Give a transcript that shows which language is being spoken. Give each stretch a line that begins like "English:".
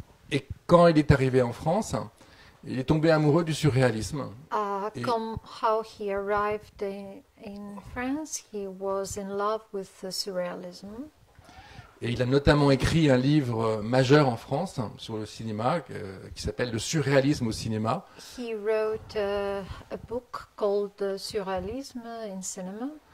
French: Et quand il est arrivé en France, il est tombé amoureux du surréalisme.
English: How he arrived in France, he was in love with the surrealism.
French: Et il a notamment écrit un livre majeur en France sur le cinéma qui s'appelle Le surréalisme au cinéma.
English: He wrote a book called The Surrealism in Cinema.